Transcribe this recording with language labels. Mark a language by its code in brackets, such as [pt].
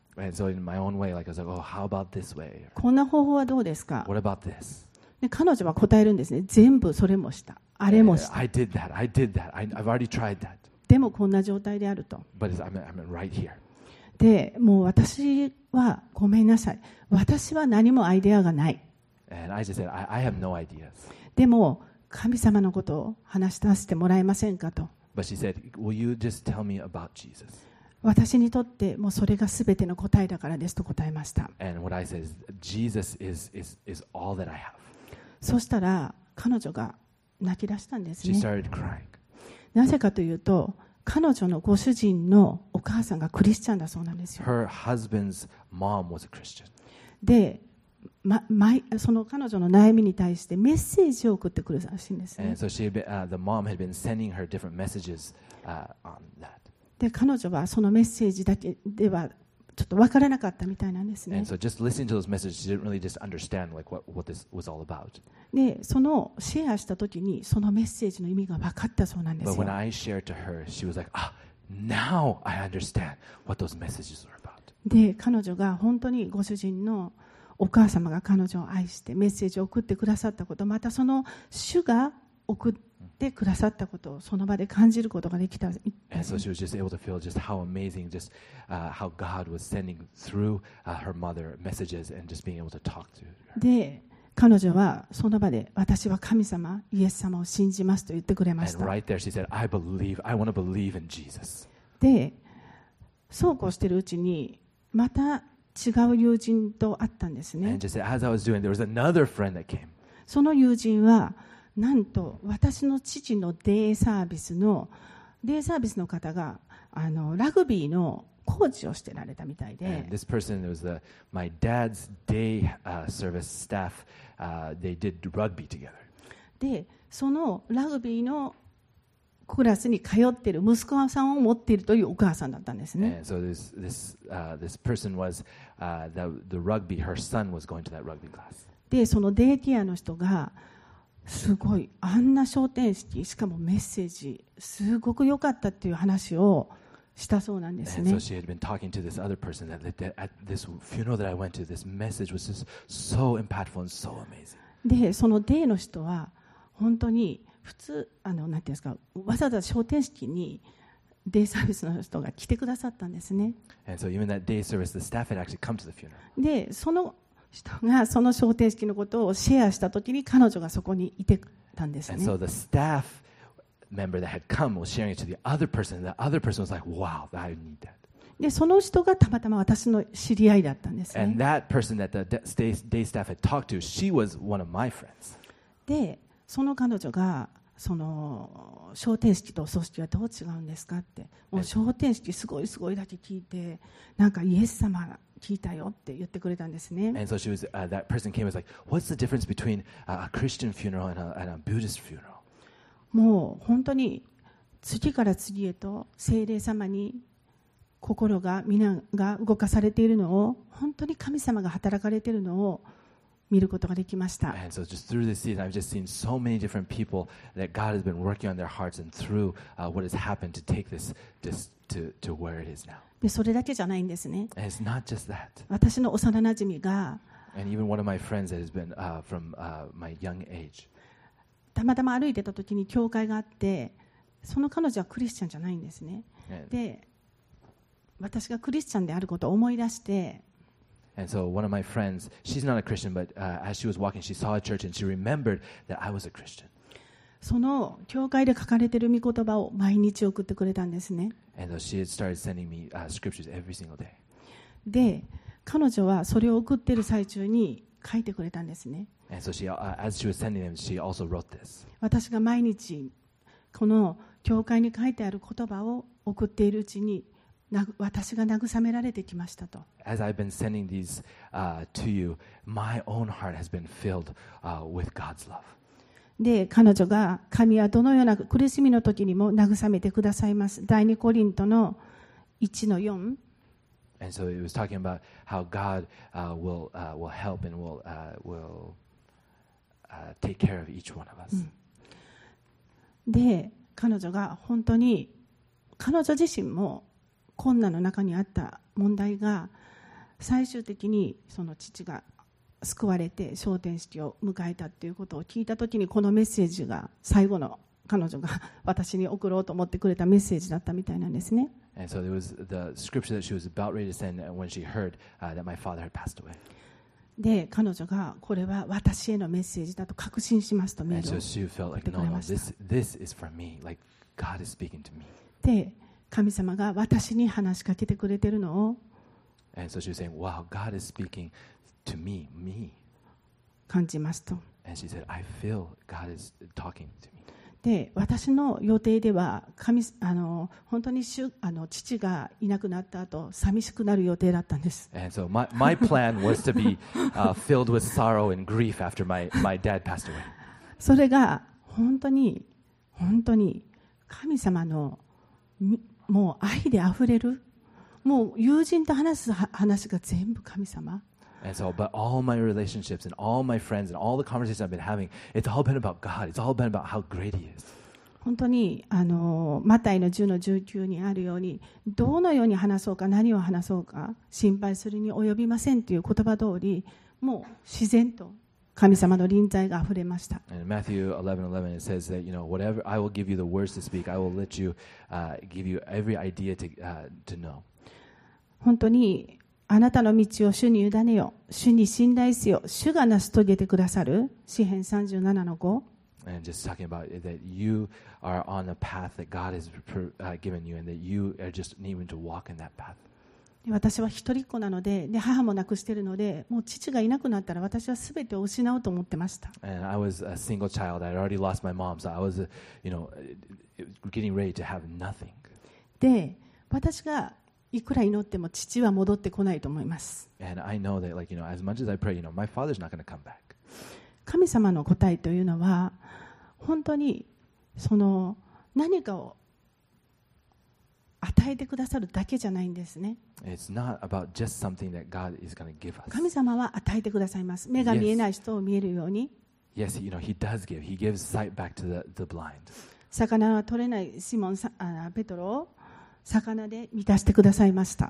[en] And so in my own way, like I was like, oh, how about this way? [ja] こんな方法はどうですか? [en] What about this? [ja] で、彼女は答えるんですね。全部それもした。あれもした。 [en] I did that. I did that. I've already tried that. [ja] でもこんな状態であると。 [en] But I'm right here. [ja] で、もう私はごめんなさい。私は何もアイデアがない。 [en] And I just said, I have no ideas. [ja] でも神様のことを話しさせてもらえませんかと。 [en] But she said, will you just tell me about Jesus? [ja] 私にとってもうそれが全ての答えだからですと答えました。 [en] And what I said is, Jesus is all that I have. [ja] そしたら彼女が泣き出したんですね。 [en] She started crying. [ja] なぜかというと彼女のご主人のお母さんがクリスチャンだそうなんですよ。 [en] Her husband's mom was a Christian. [ja] で、ま、その彼女の悩みに対してメッセージを送ってくるらしいんですね。 [en] And so she had been, the mom had been sending her different messages, on that. [ja] で彼女はそのメッセージだけではちょっと分からなかったみたいなんですね。 [en] So just listening to those messages, she didn't really just understand like what this was all about. [ja] で、そのシェアした時にそのメッセージの意味が分かったそうなんですよ。 [en] But when I shared to her, she was like, ah, now I understand what those messages were about. [ja] で、彼女が本当にご主人のお母様が彼女を愛してメッセージを送ってくださったこと、またその主が送ってくださったことをその場で感じることができた。 [en] And so she was just able to feel just how amazing, just how God was sending through her mother messages and just being able to talk to her. [ja] で彼女はその場で私は神様、イエス様を信じますと言ってくれました。 [en] And right there she said, I believe, I want to believe in Jesus. [ja] でそうこうしているうちにまた違う友人と会ったんですね。 [en] And just as I was doing, there was another friend that came. [ja] その友人はなんと私の父のデイサービスのデイサービスの方がラグビーのコーチをしてられたみたいで。 [en] And this person was my dad's day service staff. They did rugby together. [ja] でそのラグビーのクラスに通っている息子さんを持っているというお母さんだったんですね。 [en] And so this person was the rugby. Her son was going to that rugby class. [ja] でそのデイケアの人がすごいあんな昇天式しかもメッセージすごく良かったっていう話をしたそうなんですね。 [en] And so she had been talking to this other person that at this funeral that I went to, this message was just so impactful and so amazing. [ja] でそのデイの人は本当に普通なんていうんですか、わざわざ昇天式にデイサービスの人が来てくださったんですね。 [en] And so even that day service, the staff had actually come to the funeral. [ja] でその人がその昇天式のことをシェアしたときに彼女がそこにいてたんですね。 [en] And so the staff member that had come was sharing it to the other person. The other person was like, "Wow, I need that." [ja] で、その人がたまたま私の知り合いだったんですね。 [en] And that person that the day staff had talked to, she was one of my friends. [ja] で、その彼女がその昇天式とお葬式はどう違うんですかって、もう昇天式すごいすごいだけ聞いて、なんかイエス様が聞いたよって言ってくれたんですね。 [en] And so she was, that person came and was like, what's the difference between a Christian funeral and a Buddhist funeral? [ja] もう本当に次から次へと聖霊様に心が皆が動かされているのを本当に神様が働かれているのを見ることができました。 [en] And so just through this season, I've just seen so many different people that God has been working on their hearts and through what has happened to take this to where it is now. [ja] でそれだけじゃないんですね。 [en] It's not just that. [ja] 私の幼なじみが、 [en] and even one of my friends that has been from my young age. [ja] たまたま歩いてた時に教会があって、その彼女はクリスチャンじゃないんですね。で、私がクリスチャンであることを思い出して、 [en] and so one of my friends, she's not a Christian, but as she was walking, she saw a church and she remembered that I was a Christian. [ja] その教会で書かれている御言葉を毎日送ってくれたんですね。 [en] And she started sending me scriptures every single day. [ja] で、彼女はそれを送っている最中に書いてくれたんですね。 [en] And so she, as she was sending them, she also wrote this. [ja] 私が毎日この教会に書いてある言葉を送っているうちに、私が慰められてきましたと。 [en] As I've been sending these to you, my own heart has been filled with God's love. [ja] で彼女が神はどのような苦しみの時にも慰めてくださいます。第二コリントの 1-4。 [en] And so it was talking about how God will help and will take care of each one of us. [ja] で彼女が本当に彼女自身も困難の中にあった問題が最終的にその父が救われて昇天式を迎えたということを聞いたときに、このメッセージが最後の彼女が私に送ろうと思ってくれたメッセージだったみたいなんですね。 [en] And so there was the scripture that she was about ready to send when she heard that my father had passed away. [ja] で彼女がこれは私へのメッセージだと確信しますとメールを送ってくれました。 [en] And so she felt like, no, this is for me. Like God is speaking to me. [ja] で神様が私に話しかけてくれてるのを。 [en] And so she was saying, wow, God is speaking. To me, me. [ja] 感じますと。 [en] And she said, I feel God is talking to me. [ja] で、私の予定では神本当に父がいなくなった後寂しくなる予定だったんです。 [en] And so my plan was to be filled with sorrow and grief after my dad passed away. [ja] それが本当に本当に神様のもう愛であふれる、もう友人と話す話が全部神様。 [en] And so, but all my relationships and all my friends and all the conversations I've been having, it's all been about God. It's all been about how great He is. [ja] 本当にマタイの10の19にあるように、どのように話そうか、何を話そうか、心配するに及びませんという言葉通り、もう自然と神様の臨在が溢れました。 [en] Matthew 11:11 it says that, you know, whatever I will give you the words to speak, I will let you, give you every idea to, to know. [ja] 本当にあなたの道を主に委ねよ、主に信頼せよ、主が成し遂げてくださる詩編37:5。 [en] And just talking about it, that you are on a path that God has given you, and that you are just needing to walk in that path. [ja] 私は一人っ子なので、で母も亡くしているので、もう父がいなくなったら私はすべてを失うと思ってました。 [en] And I was a single child. I already lost my mom, so I was, you know, getting ready to have nothing. [ja] で、私がいくら祈っても父は戻ってこないと思います。 [en] And I know that, like, you know, as much as I pray, you know, my father's not going to come back. [ja] 神様の答えというのは本当にその何かを与えてくださるだけじゃないんですね。 [en] It's not about just something that God is going to give us. [ja] 神様は与えてくださいます。目が見えない人を見えるように。 [en] Yes, you know, He does give. He gives sight back to the blind. [ja] 魚は取れないシモン、ペトロを魚で満たしてくださいました。